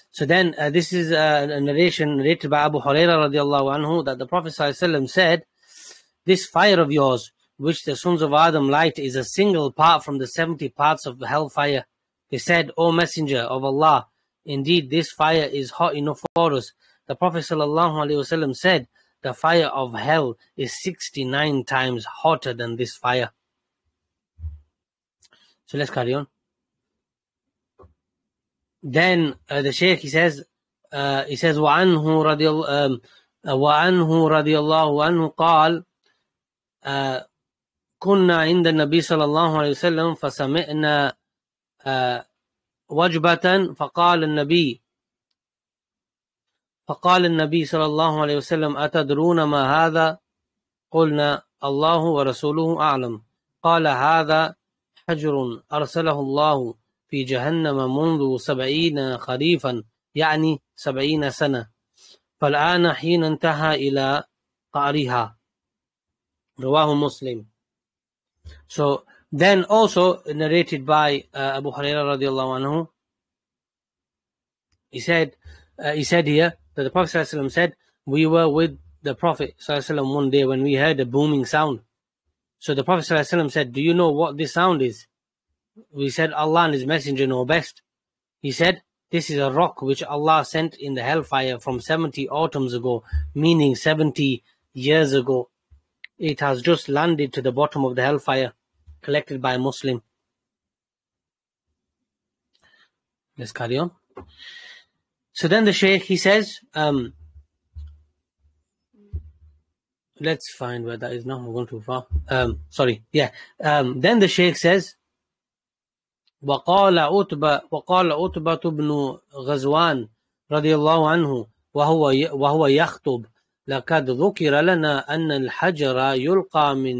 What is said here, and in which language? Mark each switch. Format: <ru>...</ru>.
<en>So then this is a narration narrated by Abu Huraira radiallahu anhu that the Prophet said, this fire of yours, which the sons of Adam light, is a single part from the 70 parts of the hellfire. They said, O Messenger of Allah, indeed this fire is hot enough for us. The Prophet said, the fire of hell is 69 times hotter than this fire. So let's carry on. Then the Shaykh, he says,</en> <ar>وَعَنْهُ رَضِيَ اللَّهُ عَنْهُ قَالَ كُنَّا عِنْدَ النَّبِي صَلَى اللَّهُ عَلَيْهِ وَسَلَّمْ فَسَمِئْنَا وَجْبَةً فَقَالَ النَّبِي صلى الله عليه وسلم أَتَدْرُونَ مَا هَذَا قُلْنَا اللَّهُ وَرَسُولُهُ أَعْلَمْ قَالَ هَذَا حَجْرٌ أَرْسَلَهُ اللَّهُ في جهنم منذ 70 خريفا يعني 70 سنة فالآن حين انتهى إلى قعرها رواه مسلم.</ar> <en>So then also narrated by Abu Huraira radiallahu anhu, he said here that the Prophet sallallahu alaihi wasallam said, we were with the Prophet sallallahu alaihi wasallam one day when we heard a booming sound. So the Prophet sallallahu alaihi wasallam said, do you know what this sound is? We said, Allah and His Messenger know best. He said, this is a rock which Allah sent in the hellfire from 70 autumns ago, meaning 70 years ago. It has just landed to the bottom of the hellfire, collected by a Muslim. Let's carry on. So then the Shaykh, he says, let's find where that is now. We're going too far. Then the Shaykh says,</en> <ar>وقال عتبة بن غزوان رضي الله عنه وهو يخطب لقد ذكر لنا أن الحجر يلقى</ar>